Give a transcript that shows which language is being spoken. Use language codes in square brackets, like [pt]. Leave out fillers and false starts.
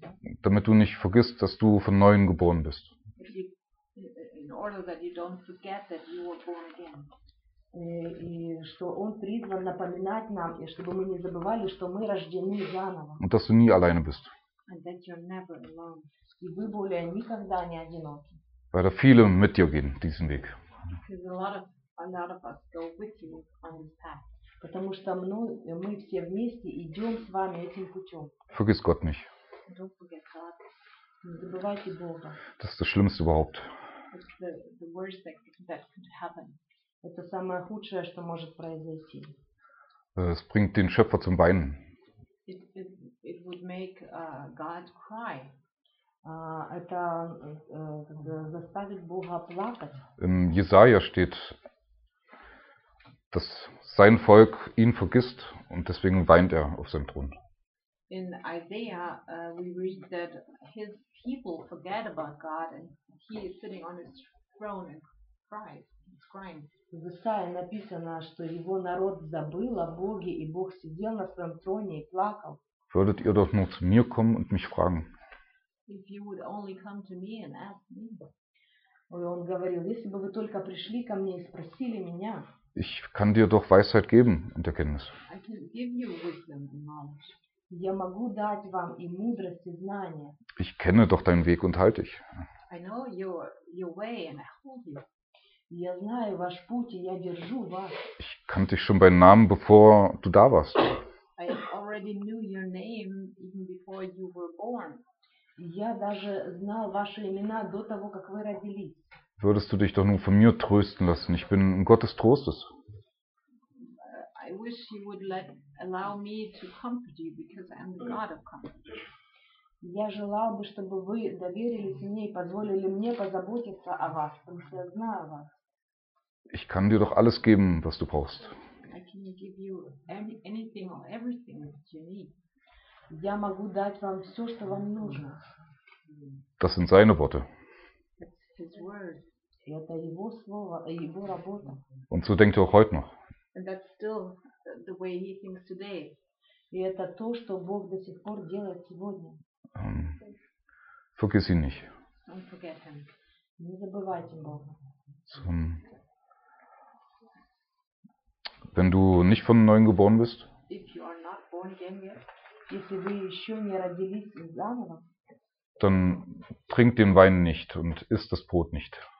[ru] Да? [de] Damit du nicht vergisst, dass du von neuem geboren bist. [en] In order that you don't forget that you were born again. [ru] И что он призван напоминать нам, и чтобы мы не забывали, что мы рождены заново. [de] Und dass du nie alleine bist. [en] And that you're never alone. [ru] И вы более никогда не одиноки. [de] Weil da viele mit dir gehen diesen Weg. [en] Because a lot of us go with you on this path. [ru] Потому что мы все вместе идем с вами этим путем. [de] Vergiss Gott nicht. [en] Don't forget God. [ru] Не забывайте Бога. [de] Das ist das Schlimmste überhaupt. [en] It's the worst that could happen. [ru] Это самое худшее, что может произойти. [de] Es bringt den Schöpfer zum Weinen. [en] It would make God cry. [ru] Это заставит Бога плакать. [de] Im Jesaja steht, dass sein Volk ihn vergisst und deswegen weint er auf seinem Thron. [en] In Isaiah we read that his people forget about God and he is sitting on his throne and cries. He's crying. [ru] В Исаии написано, что его народ забыл о Боге, и Бог сидел на своем троне и плакал. [de] Würdet ihr doch nur zu mir kommen und mich fragen? [en] If you would only come to me and ask me. [ru] И он говорил, если бы вы только пришли ко мне и спросили меня. [de] Ich kann dir doch Weisheit geben und Erkenntnis. [en] I can give you wisdom and knowledge. [ru] Я могу дать вам и мудрость, и знание. [de] Ich kenne doch deinen Weg und halte dich. [en] I know your way and I hold you. [ru] Я знаю ваш путь, и я держу вас. [de] Ich kannte dich schon bei Namen, bevor du da warst. [en] I already knew your name even before you were born. [ru] Я даже знал ваши имена до того, как вы родились. [de] Würdest du dich doch nur von mir trösten lassen? Ich bin ein Gott des Trostes. [en] I wish you would allow me to comfort you because I am the God of comfort. [ru] Я желал бы, чтобы вы доверились мне и позволили мне позаботиться о вас, потому что я знаю вас. [de] Ich kann dir doch alles geben, was du brauchst. [en] I can give you anything or everything that you need. [ru] Я могу дать вам все, что вам нужно. [de] Das sind seine Worte. [en] His word. [ru] Это его слово, его работа. [de] Und so denkt er auch heute noch. [en] And that's still the way he thinks today. [ru] И это то, что Бог до сих пор делает сегодня. [de] Vergiss ihn nicht. [en] Don't forget him. [ru] Не забывайте Бога. [de] Wenn du nicht von Neuem geboren bist, [en] if you are not born again yet, [ru] если вы еще не родились заново, [de] dann trink den Wein nicht und isst das Brot nicht.